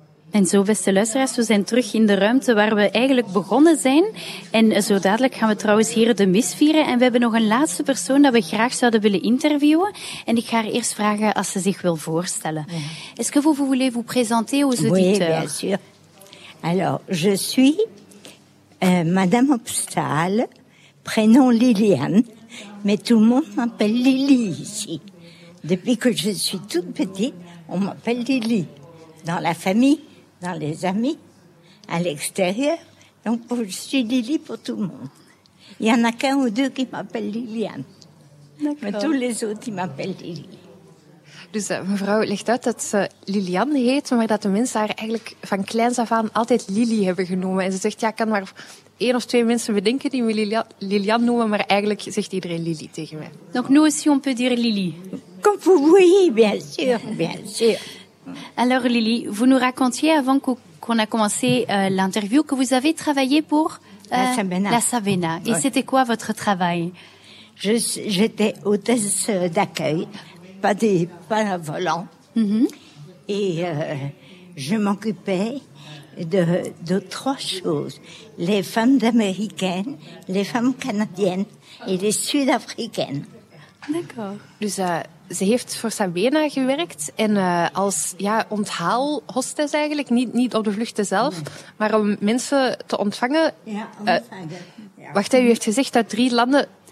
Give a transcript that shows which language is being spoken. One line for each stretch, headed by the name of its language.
Dutch: En zo, beste luisteraars, we zijn terug in de ruimte waar we eigenlijk begonnen zijn. En zo dadelijk gaan we trouwens hier de mis vieren. En we hebben nog een laatste persoon dat we graag zouden willen interviewen. En ik ga haar eerst vragen als ze zich wil voorstellen. Ja.
French: Est-ce que vous voulez vous présenter aux auditeurs? Oui, bien sûr. Alors, je suis Madame Obstal, prénom Liliane, mais tout le monde m'appelle Lily ici. Depuis que je suis toute petite, on m'appelle Lily. Dans la famille, dans les amis, à l'extérieur. Donc, je suis Lily pour tout le monde. Il y en a qu'un ou deux qui m'appellent Liliane. D'accord. Mais tous les autres, ils m'appellent Lily.
Dutch: Dus mevrouw legt uit dat ze Liliane heet, maar dat de mensen haar eigenlijk van kleins af aan altijd Lily hebben genoemd. En ze zegt, ja, ik kan maar één of twee mensen bedenken die me Liliane noemen, maar eigenlijk zegt iedereen Lily tegen mij.
French: Donc nous aussi on peut dire Lily. Comme vous voyez, bien sûr, bien sûr. Alors Lily, vous nous racontiez avant qu'on a commencé l'interview que vous avez travaillé pour La Savena. Et oui. C'était quoi votre travail? J'étais hôtesse d'accueil. Pas à volant. Mm-hmm. Et je m'occupais de trois choses. Les femmes américaines, les femmes canadiennes et les sud-africaines. D'accord.
Dutch: Dus ze heeft voor Sabena gewerkt. En als onthaalhostess eigenlijk, niet op de vluchten zelf, nee. Maar om mensen te ontvangen. Ja, ontvangen. Wacht, u heeft gezegd dat drie landen...